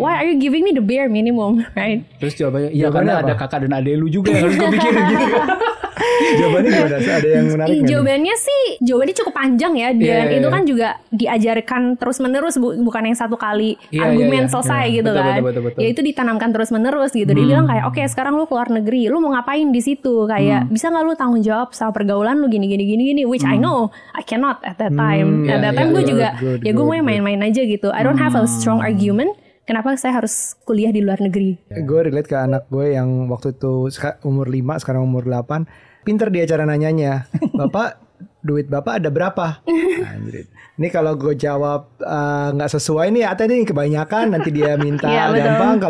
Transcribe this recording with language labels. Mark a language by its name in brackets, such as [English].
[English] Why are you giving me the bare minimum, right? [Indonesian] Terus jawabannya, ya karena apa? Ada kakak dan adek lu juga yang harus gue pikirin gitu. Jawabannya gimana? Ada yang menarik nggak? Jawabannya sih, jawabannya cukup panjang ya. Dan itu kan juga diajarkan terus-menerus, bukan yang satu kali argumen selesai gitu kan. Betul. Ya itu ditanamkan terus-menerus gitu. Dia bilang kayak, okay, sekarang lu keluar negeri, lu mau ngapain di situ? Kayak, bisa nggak lu tanggung jawab sama pergaulan lu gini-gini-gini? [English] Which I know, I cannot at that time. [Indonesian] Gue main-main aja gitu. [English] I don't have a strong argument. [Indonesian] Kenapa saya harus kuliah di luar negeri? Gue relate ke anak gue yang waktu itu umur 5, sekarang umur 8. Pinter dia cara nanyanya. Bapak, duit bapak ada berapa? Ini kalau gue jawab gak sesuai nih, atau ini kebanyakan, nanti dia minta gampang.